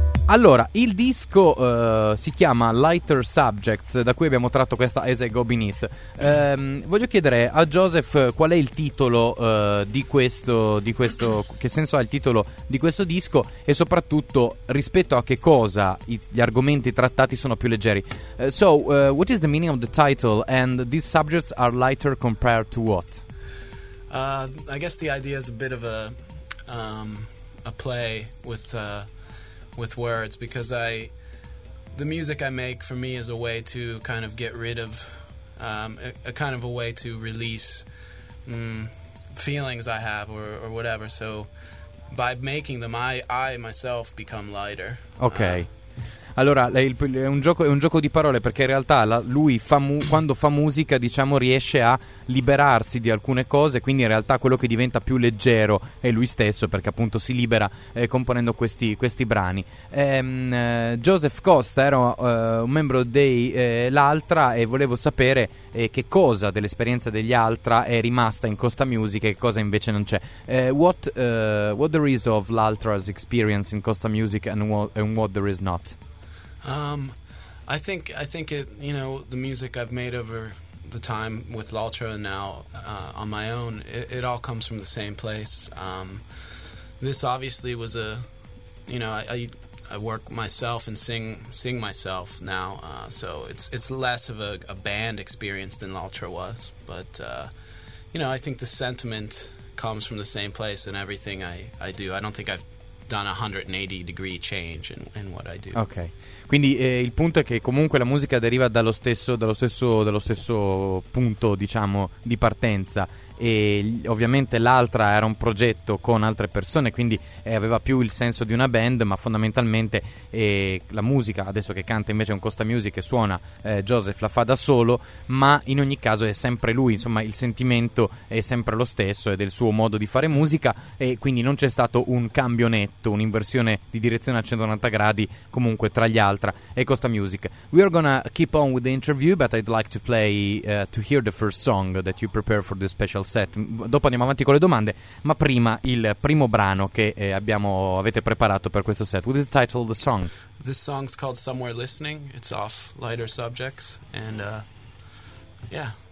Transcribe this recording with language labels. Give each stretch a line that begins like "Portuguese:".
Italian: Allora, il disco si chiama Lighter Subjects, da cui abbiamo tratto questa As I Go Beneath. Voglio chiedere a Joseph qual è il titolo che senso ha il titolo di questo disco, e soprattutto rispetto a che cosa gli argomenti trattati sono più leggeri.
English: So, what is the meaning of the title, and these subjects are lighter compared to what? I guess the idea is a bit of a play with words, because the music I make for me is a way to kind of get rid of a kind of a way to release feelings I have or whatever. So by making them I myself become lighter. Okay.
Italian: Allora, è un gioco di parole, perché in realtà lui quando fa musica, diciamo, riesce a liberarsi di alcune cose, quindi in realtà quello che diventa più leggero è lui stesso, perché appunto si libera componendo questi brani. Joseph Costa era un membro dei L'Altra, e volevo sapere che cosa dell'esperienza degli Altra è rimasta in Costa Music e che cosa invece non c'è.
English: What there is of L'Altra's experience in Costa Music and what there is not? I think it, you know, the music I've made over the time with L'Altra and now on my own, it all comes from the same place. This obviously was a, you know, I work myself and sing myself now, so it's less of a band experience than L'Altra was, but you know, I think the sentiment comes from the same place in everything I do. I don't think I've done a 180 degree change in what I do. Okay.
Italian: Quindi il punto è che comunque la musica deriva dallo stesso punto, diciamo, di partenza, e ovviamente L'Altra era un progetto con altre persone, quindi aveva più il senso di una band, ma fondamentalmente la musica, adesso che canta invece un Costa Music e suona Joseph, la fa da solo, ma in ogni caso è sempre lui, insomma il sentimento è sempre lo stesso, è del suo modo di fare musica, e quindi non c'è stato un cambio netto, un'inversione di direzione a 180 gradi comunque tra gli Altra e Costa Music.
English: We are gonna keep on with the interview, but I'd like to play to hear the first song that you prepare for the special set.
Italian: Dopo andiamo avanti con le domande, ma prima il primo brano che avete preparato per questo set.
English: What is the title of the song? This song's called Somewhere Listening. It's off Lighter Subjects, and yeah.